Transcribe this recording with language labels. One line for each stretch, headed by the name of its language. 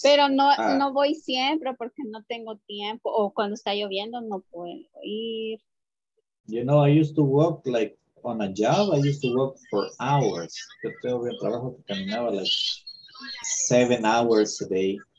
Spanish: Pero no, no voy siempre porque no tengo tiempo o cuando está lloviendo no puedo ir.
English: You know, I used to walk like on a job. I used to walk for hours.
Spanish: Yo tengo un trabajo que caminaba
English: like 7 hours a day.